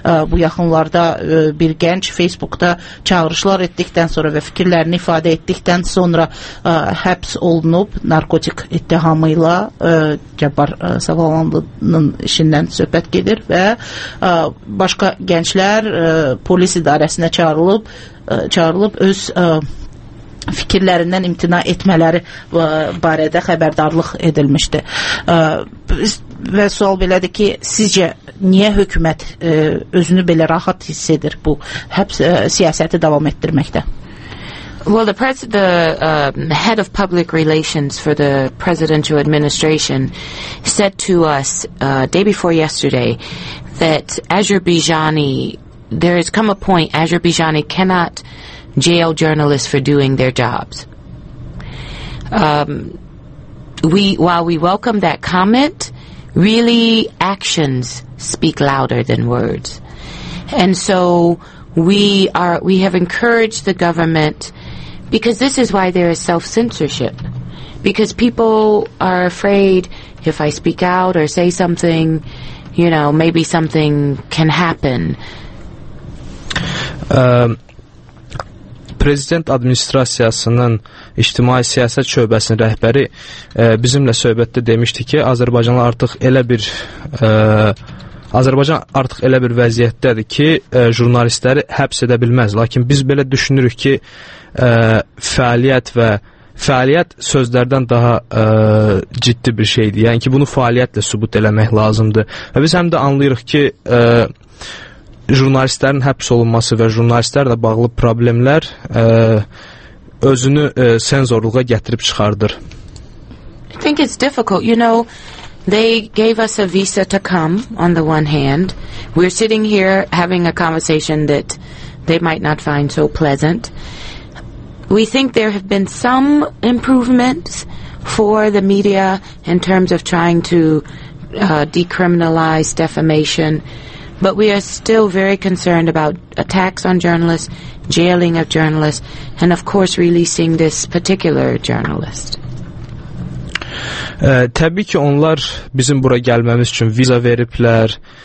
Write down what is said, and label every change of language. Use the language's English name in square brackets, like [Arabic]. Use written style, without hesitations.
[Azerbaijani] bu yaxınlarda bir gənc Facebookda çağırışlar etdikdən sonra və fikirlərini ifadə etdikdən sonra həbs olunub narkotik ittihamı ilə Cəbbar Savalanlı işindən söhbət gedir və başqa gənclər polis idarəsinə çağırılıb öz fikirlərindən imtina etmələri barədə xəbərdarlıq edilmişdi. Və sual belədir ki, sizcə niyə hökumət özünü belə rahat hiss edir bu həbs siyasəti davam etdirməkdə? [English] Well, the head of public relations for the presidential administration said to us day before yesterday that Azerbaijani, there has come a point Azerbaijani cannot jail journalists for doing their jobs. While we welcome that comment, really actions speak louder than words. And so we have encouraged the government, because this is why there is self-censorship, because people are afraid if I speak out or say something, you know, maybe something can happen. [Azerbaijani] Prezident administrasiyasının ictimai siyasət şöbəsinin rəhbəri bizimlə söhbətdə demişdi ki, Azərbaycan artıq elə bir vəziyyətdədir ki, jurnalistləri həbs edə bilməz. Lakin biz belə düşünürük ki, fəaliyyət sözlərdən daha ciddi bir şeydir. Yəni ki, bunu fəaliyyətlə sübut eləmək lazımdır. Və biz həm də anlayırıq ki, jurnalistlərin həbs olunması və jurnalistlərlə bağlı problemlər özünü senzorluğa gətirib çıxardır. [English] I think it's difficult. You know, they gave us a visa to come on the one hand. We're sitting here having a conversation that they might not find so pleasant. We think there have been some improvements for the media in terms of trying to decriminalize defamation. But we are still very concerned about attacks on journalists, jailing of journalists, and of course releasing this particular journalist. [Azerbaijani] Təbii ki, onlar bizim bura gəlməmiz üçün viza veriblər.